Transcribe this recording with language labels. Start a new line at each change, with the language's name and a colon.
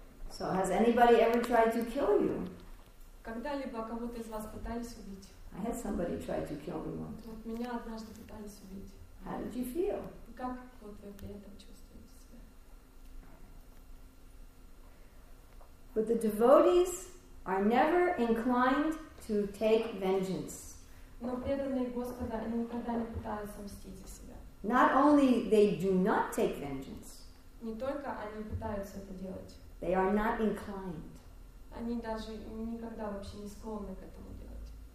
English: So has anybody ever tried to kill you?
Russian: Когда-либо кого-то из вас пытались убить?
English: I had somebody try to kill me once.
Russian: Вот меня однажды пытались убить.
English: How did you feel?
Russian: И как вот вы при этом чувствуете себя?
English: But the devotees are never inclined to take vengeance.
Russian: Но преданные Господа, они никогда не пытаются мстить за себя.
English: Not only they do not take vengeance.
Russian: Не только они пытаются это делать.
English: They are not inclined.
Russian: Они даже никогда вообще не склонны к этому делать.